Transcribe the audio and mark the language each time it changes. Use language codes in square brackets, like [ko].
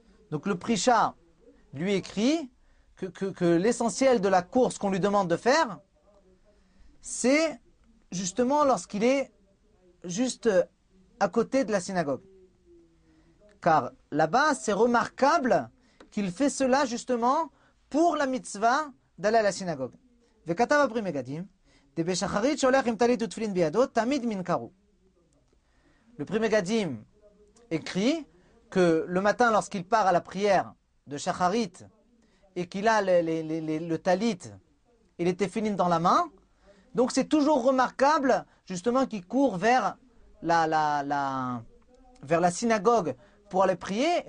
[fr] Donc le prisha lui écrit que l'essentiel de la course qu'on lui demande de faire, c'est justement lorsqu'il est juste à côté de la synagogue. Car là-bas, c'est remarquable qu'il fait cela justement pour la mitzvah d'aller à la synagogue. [he] וכתב הברי מגדים, דבשחרית שהולך עם טלית ותפילין בידו, תמיד מנקרו. לברי מגדים אקרי, [fr] que le matin lorsqu'il part à la prière de Shacharit et qu'il a le talit et les tefillin dans la main, donc c'est toujours remarquable justement qu'il court vers la synagogue pour aller prier.